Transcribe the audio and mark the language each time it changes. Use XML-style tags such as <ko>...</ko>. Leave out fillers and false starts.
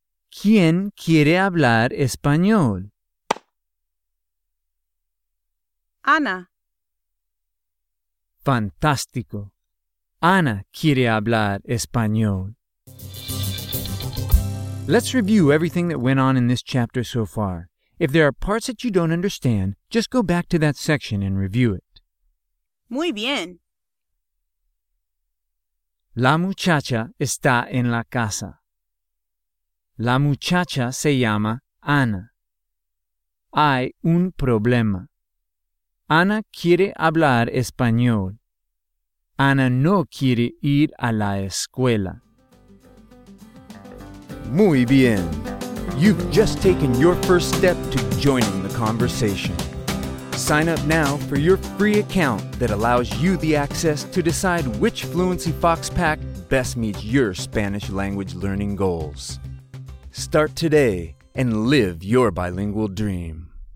<es>¿Quién quiere hablar español? Ana. Fantástico. Ana quiere hablar español.</es> <en>Let's review everything that went on in this chapter so far. If there are parts that you don't understand, just go back to that section and review it.</en> <es>Muy bien. La muchacha está en la casa. La muchacha se llama Ana. Hay un problema. Ana quiere hablar español. Ana no quiere ir a la escuela. Muy bien.</es> <en>You've just taken your first step to joining the conversation. Sign up now for your free account that allows you the access to decide which Fluency Fox Pack best meets your Spanish language learning goals. Start today and live your bilingual dream.</en>